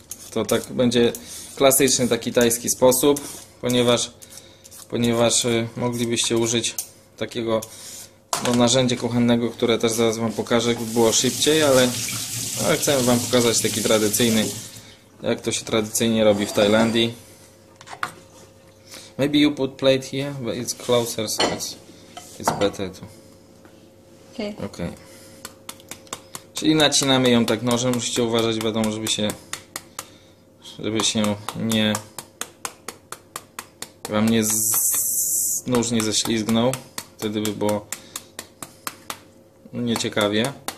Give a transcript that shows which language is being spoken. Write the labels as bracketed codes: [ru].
[pl] To tak będzie klasyczny taki tajski sposób, ponieważ moglibyście użyć takiego no, narzędzie kuchennego, które też zaraz Wam pokażę, by było szybciej, ale chcę Wam pokazać taki tradycyjny, jak to się tradycyjnie robi w Tajlandii. [en] Maybe you put plate here, but it's closer, so it's better to. Okay. [pl] Czyli nacinamy ją tak nożem. Musicie uważać, wiadomo, żeby się nie wam nie nóż nie ześlizgnął. Wtedy by było nieciekawie.